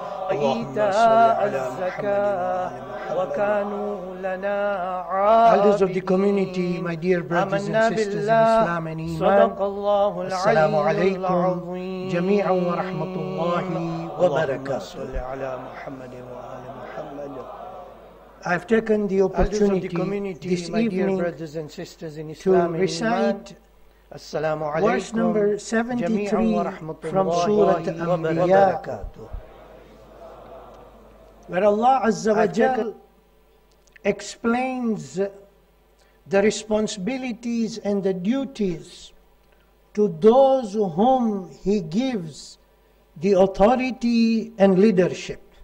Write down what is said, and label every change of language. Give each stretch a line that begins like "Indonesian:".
Arabic: إيتاء الزكاة وكانوا لنا عابدين.
English: Elders of the community, my dear brothers and sisters in Islam and Iman,
Arabic: السلام عليكم جميعا ورحمة الله وبركاته. اللهم صل على محمد وآل محمد.
English: I've taken the opportunity this evening to recite verse number 73 from Surah Al-Anbiya, where Allah Azza wa Jal explains the responsibilities and the duties to those whom He gives the authority and leadership.